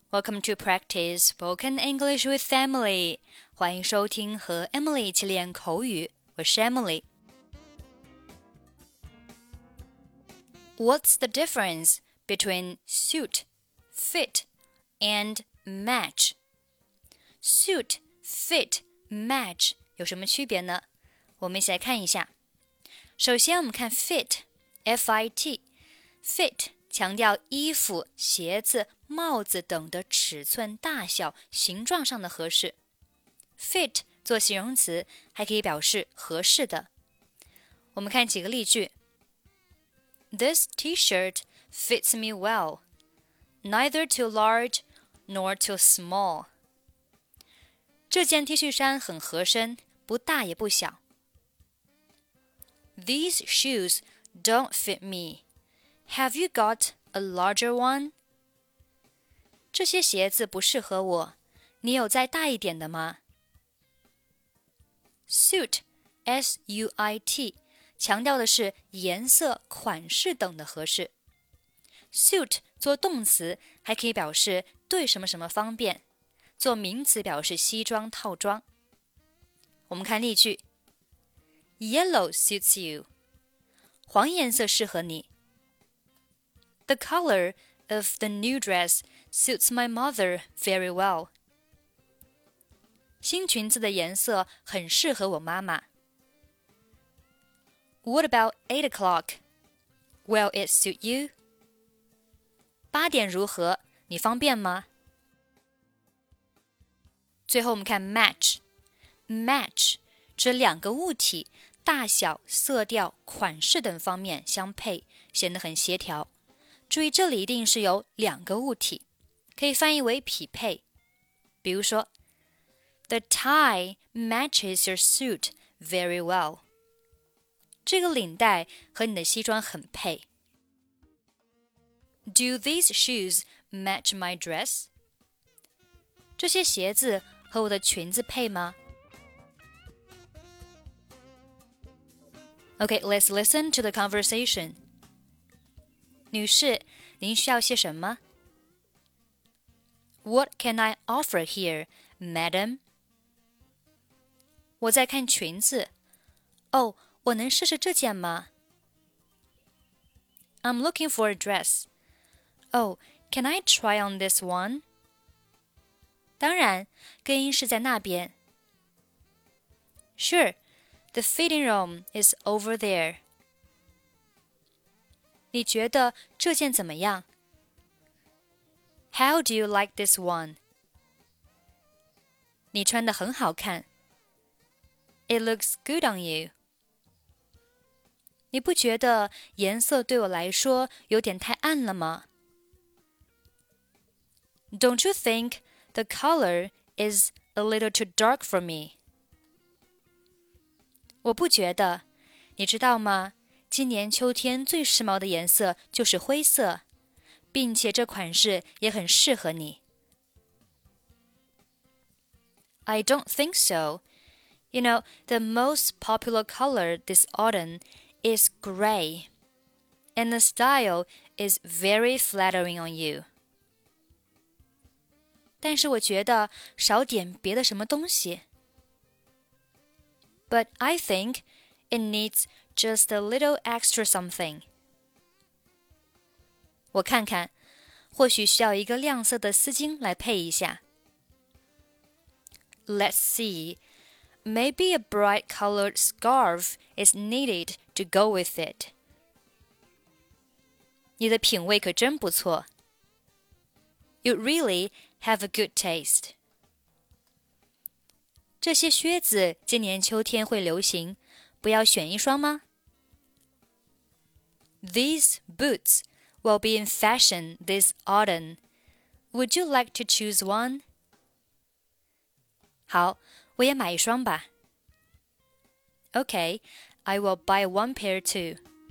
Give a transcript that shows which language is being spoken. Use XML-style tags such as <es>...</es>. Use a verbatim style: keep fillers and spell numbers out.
<en>Welcome to practice spoken English with Emily.</en> <zh>欢迎收听和 Emily 一起练口语。我是 Emily。</zh> <en>What's the difference between suit, fit, and match?</en> <zh>Suit, fit, match 有什么区别呢？我们一起来看一下。首先，我们看 fit, F I T, fit. 强调衣服、鞋子、帽子等的尺寸、大小、形状上的合适。 Fit 做形容词，还可以表示合适的。我们看几个例句。</zh> <en>This T-shirt fits me well, neither too large nor too small.</en> <zh>这件 T 恤衫很合身，不大也不小。</zh> <en>These shoes don't fit me. Have you got a larger one?</en> <zh>这些鞋子不适合我，你有再大一点的吗？ Suit, S U I T, 强调的是颜色、款式等的合适。 Suit 做动词还可以表示对什么什么方便，做名词表示西装、套装。我们看例句</zh> <en>Yellow suits you.</en> <zh>黄颜色适合你。</zh> <en>The color of the new dress suits my mother very well.</en> <zh>新裙子的颜色很适合我妈妈。</zh> <en>What about eight o'clock? Will it suit you?</en> <zh>八点如何？你方便吗？最后我们看 match. Match 指两个物体，大小、色调、款式等方面相配，显得很协调。注意，这里一定是有两个物体，可以翻译为匹配。比如说</zh> <en>，The tie matches your suit very well。</en> <zh>这个领带和你的西装很配。</zh> <en>Do these shoes match my dress?</en> <zh>这些鞋子和我的裙子配吗？</zh> <en>Okay, let's listen to the conversation.</en> <zh>女士，您需要些什么？</zh> <en>What can I offer here, madam?</en> <zh>我在看裙子。哦，我能试试这件吗？</zh> <en>I'm looking for a dress. Oh, can I try on this one?</en> <zh>当然，更衣室在那边。</zh> <en>Sure, the fitting room is over there.</en> <zh>你觉得这件怎么样？</zh> <en>How do you like this one?</en> <zh>你穿得很好看。</zh> <en>It looks good on you.</en> <zh>你不觉得颜色对我来说有点太暗了吗？</zh> <en>Don't you think the color is a little too dark for me?</en> <zh>我不觉得，你知道吗？今年秋天最时髦的颜色就是灰色，并且这款式也很适合你。</zh> <en>I don't think so. You know, the most popular color this autumn is gray, and the style is very flattering on you.</en> <zh>但是我觉得少点别的什么东西。</zh> <en>But I think it needs just a little extra something.</en> <zh>我看看，或许需要一个亮色的丝巾来配一下。</zh> <en>Let's see. Maybe a bright colored scarf is needed to go with it.</en> <zh>你的品味可真不错。</zh> <en>You really have a good taste.</en> <zh>这些靴子今年秋天会流行，不要选一双吗？</zh> <en>These boots will be in fashion this autumn. Would you like to choose one?</en> <zh>好，我也买一双吧。</zh> <en>Okay, I will buy one pair too.</en>